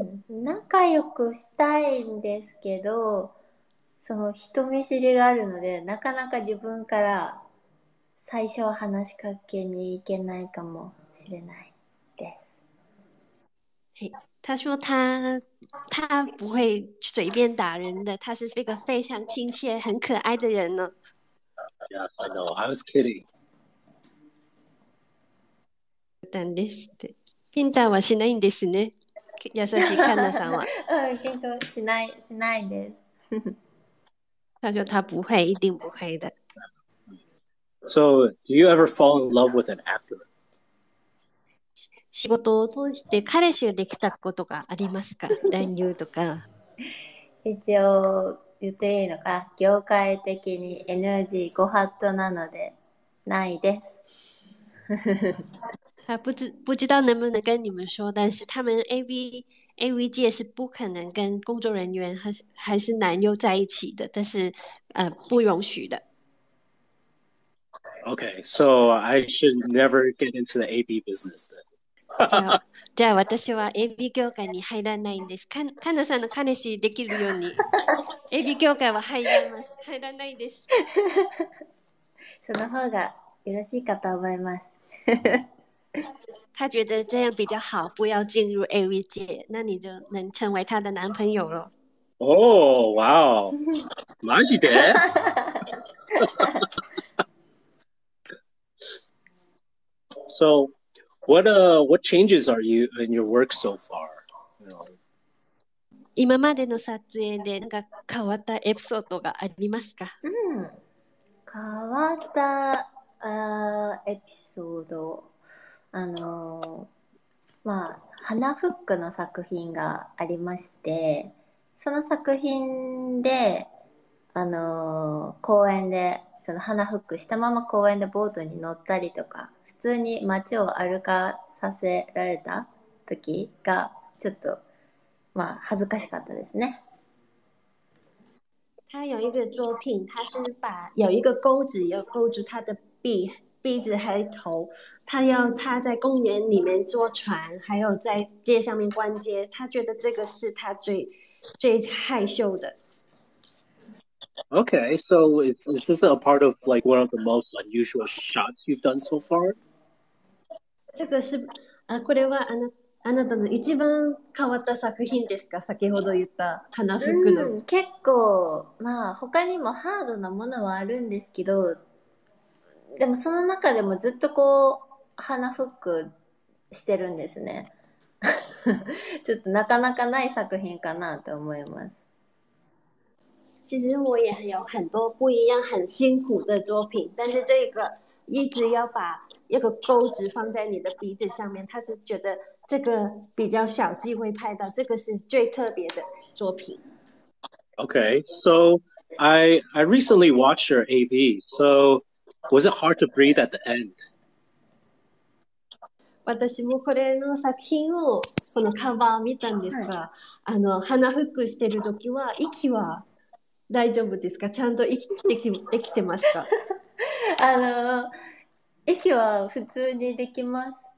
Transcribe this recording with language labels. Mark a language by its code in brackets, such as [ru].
[ja] 仲良くしたいんですけど、その人見知りがあるので、なかなか自分から最初は話しかけに行けないかもしれないです。 [zh] 他说他不会随便打人的，他是一个非常亲切、很可爱的人呢。 [en] Yeah, I know. I was kidding. [ja] なんですって。ピンタはしないんですね。優しいカンナさんは。検討しないです。 [zh] 他说他不会，一定不会的。 [en] So, do you ever fall in love with an actor? [ja] 仕事を通して彼氏ができたことがありますか？男優とか。一応言っていいのか、業界的に NG ご法度なのでないです。 [zh] 不知道能不能跟你们说，但是他们 AV 界是不可能跟工作人员还是男优在一起的，但是不允许的。 [en] Okay, so I should never get into the AB business [ja] じゃあ私は AV 業界に入らないんです。カナさんの彼氏できるように、AV 業界は入らないです。その方がよろしいかと思います。 [zh] 他觉得这样比较好，不要进入 AV 界，那你就能成为他的男朋友了。 [ja] 哦，哇哦，マジで？ [en] So, what changes are you in your work so far? [ja] 今までの撮影で何か変わったエピソードがありますか？変わったエピソード、花フックの作品がありまして、その作品で公園で、その花フックしたまま公園でボートに乗ったりとか、普通に街を歩かさせられた時がちょっと恥ずかしかったですね。 [zh] 他有一个作品，他是把有一个钩子要钩住他的鼻子还头，他在公园里面坐船，还有在街上面逛街，他觉得这个是他最害羞的。 [en] Okay, so is this a part of like one of the most unusual shots you've done so far? [zh] 这个是 [ja] これはあなたの一番変わった作品ですか？先ほど言った花フックの。結構、他にもハードなものはあるんですけど、でもその中でもずっと鼻フックしてるんですね。ちょっとなかなかない作品かなと思います。 [zh] 其实我也有很多不一样、很辛苦的作品，但是这个一直要把一个钩子放在你的鼻子上面，他是觉得这个比较小机会拍到，这个是最特别的作品。 [en] Okay, so I recently watched your AV. So was it hard to breathe at the end? [ja] 私もこれの作品を、このカバーを見たんですが、鼻フックしてるときは息は大丈夫ですか？ちゃんと息できてますか？息は普通にできます。